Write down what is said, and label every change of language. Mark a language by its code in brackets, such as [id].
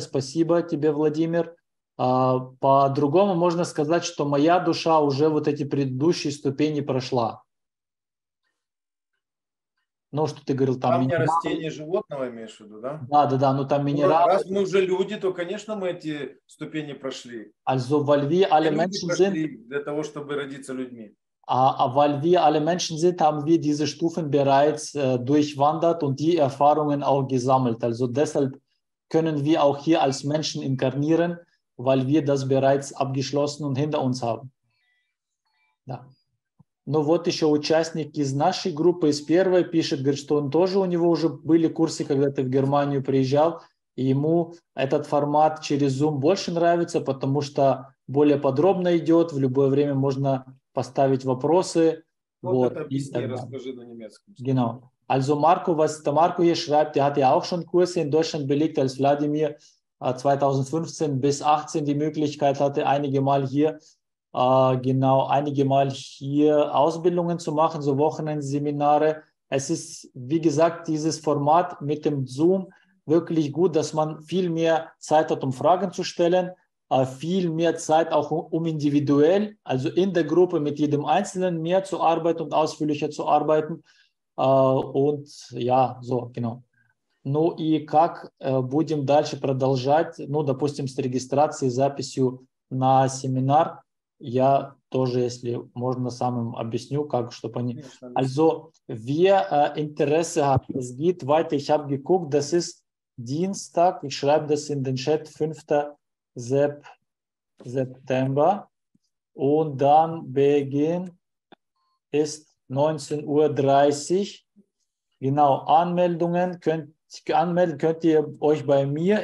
[ru] Спасибо тебе, Владимир. По-другому можно сказать, что моя душа уже вот эти предыдущие ступени прошла. Ну, что ты говорил, там минералы. Растения животного имеешь в виду, да? Да, да, да, но там минералы. Раз мы уже люди, то, конечно, мы эти ступени прошли. [de] Also, weil wir alle Menschen sind, [ru] для того, чтобы родиться людьми. [de] Weil wir alle Menschen sind, haben wir diese Stufen bereits durchwandert und die Erfahrungen auch gesammelt. Also deshalb können wir auch hier als Menschen inkarnieren, weil wir das bereits abgeschlossen und hinter uns haben. [ru] Да. Ну вот еще участник из нашей группы, из первой, пишет, говорит, что он тоже, у него уже были курсы, когда ты в Германию приезжал, и ему этот формат через Zoom больше нравится, потому что более подробно идет, в любое время можно поставить вопросы. Вот это объясни, расскажи на немецком. [de] Genau. Also Marco, was der Marco hier schreibt, der hatte auch schon Kurse in Deutschland belegt, als Wladimir 2015 bis 18 die Möglichkeit hatte, einige Mal hier Ausbildungen zu machen, so Wochenendseminare. Es ist, wie gesagt, dieses Format mit dem Zoom wirklich gut, dass man viel mehr Zeit hat, um Fragen zu stellen, viel mehr Zeit auch um individuell, also in der Gruppe mit jedem Einzelnen mehr zu arbeiten und ausführlicher zu arbeiten. Und ja, so, genau. [ru] Ну и как будем дальше продолжать, ну, допустим, с регистрацией, записью на семинар, я тоже, если можно, сам им объясню, как, чтобы они... [de] Also, wer Interesse hat, es geht weiter, ich habe geguckt, das ist Dienstag, ich schreibe das in den Chat, 5. September, und dann Beginn ist 19.30 Uhr, genau, Anmelden könnt ihr euch bei mir.